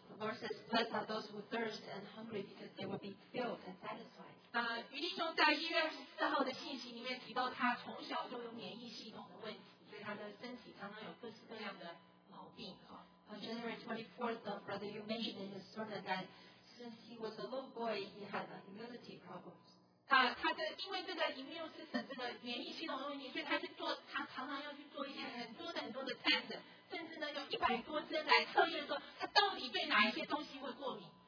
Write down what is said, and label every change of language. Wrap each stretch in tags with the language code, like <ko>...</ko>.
<en>The Lord says, blessed are those who thirst and hungry because they will be filled and satisfied.</en> <zh>余弟兄在1月24号的信息里面提到，他从小就有免疫系统的问题，所以他的身体常常有各式各样的毛病。</zh> <en>On January 24th, brother, you mentioned in his sermon that since he was a little boy, he had immunity problems.</en> <zh>他的因为这个 immune system 这个免疫系统的问题，所以他常常要去做一些很多的 test， 甚至呢有100多针来测验说他到底对哪一些东西会过敏。</zh>